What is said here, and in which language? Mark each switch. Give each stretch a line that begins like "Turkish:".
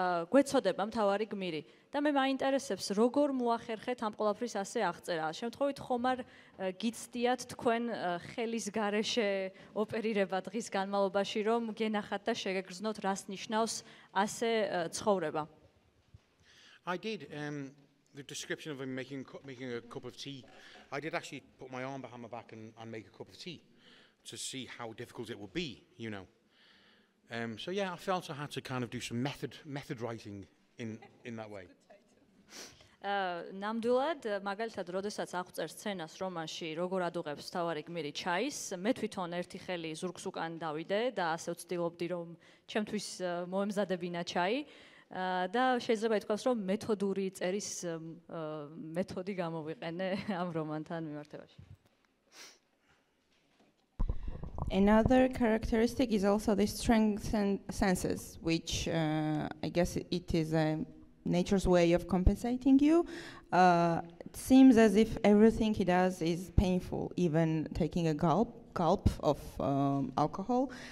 Georgian: გვეცოდება მთავარი გმირი და მე მაინტერესებს როგორ მოახერხეთ ამ ყოლაფრის ასე აღწერა. შემთხვევით ხომ არ გიცდიათ თქვენ ხელის გარეშე ოპერირება დღის განმავლობაში, რომ გენახათ და შეგეგრძნოთ რას ნიშნავს ასე ცხოვრება?
English: I did the description of him making a cup of tea. I did actually put my arm behind my back and make a cup of tea to see how difficult it would be, you know. So yeah, I felt I had to kind of do some method writing in that way.
Georgian: ნამდვილად, მაგალითად, როდესაც აღწერს სცენას რომანში, როგორ ადუღებს მთავარი გმირი ჩაის, მე თვითონ ერთი ხელი ზურგს უკან დავიდე და ასე ვცდილობდი, რომ ჩემთვის მოემზადებინა ჩაი. და შეიძლება ითქვას, რომ მეთოდური წერის მეთოდი გამოვიყენე ამ რომანთან მიმართებაში.
English: Another characteristic is also the strengths and senses, which I guess it is nature's way of compensating you. It seems as if everything he does is painful, even taking a gulp of alcohol.